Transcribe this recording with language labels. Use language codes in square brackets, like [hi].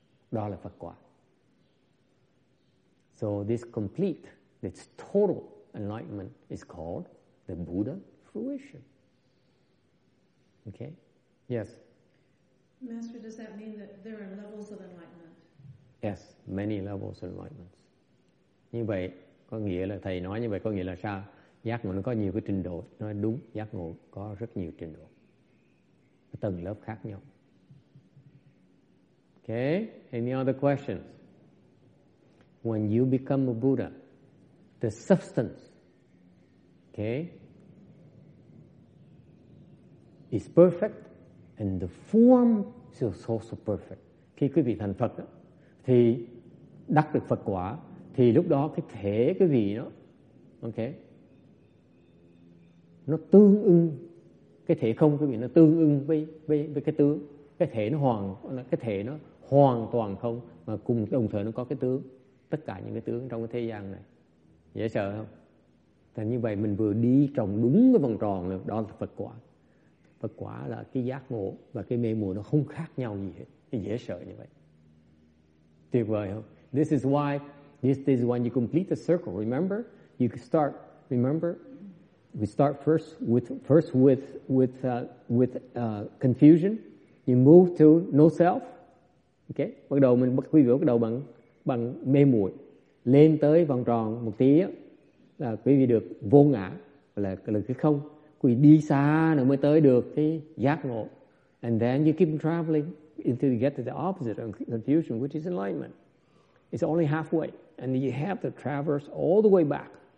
[vi] Đó là Phật quả. [en] So this complete, this total enlightenment is called the Buddha fruition. Okay? Yes? Master, does that mean that there are levels of enlightenment? Yes, many levels of enlightenment. [vi] Như vậy có nghĩa là thầy nói như vậy có nghĩa là sao? Giác ngộ nó có nhiều cái trình độ, nó đúng, giác ngộ có rất nhiều trình độ. Cái tầng lớp khác nhau. [en] Okay, any other questions? When you become a Buddha, the substance, okay, is perfect and the form is also perfect. [vi] Khi quý vị thành Phật đó, thì đắc được Phật quả. Thì lúc đó cái thể cái gì đó, ok, nó tương ưng, cái thể không cái gì nó tương ưng với cái tướng, cái thể nó hoàn toàn không mà cùng đồng thời nó có cái tướng, tất cả những cái tướng trong cái thế gian này, dễ sợ không? Thành như vậy mình vừa đi trồng đúng cái vòng tròn rồi, đó là Phật quả. Phật quả là cái giác ngộ và cái mê muội nó không khác nhau gì hết. [en] Yesha anyway. This is why, this is when you complete the circle, remember? You start, remember? We start first with confusion. You move to no self. Okay? [vi] Bắt đầu mình bắt quý vị bắt đầu bằng bằng mê muội. Lên tới vòng tròn một tí á là quý vị được vô ngã, là cái không. Quý vị đi xa nữa mới tới được cái giác ngộ. [en] And then you keep traveling until you get to the opposite of confusion, which is enlightenment. It's only halfway. And you have to traverse all the way back.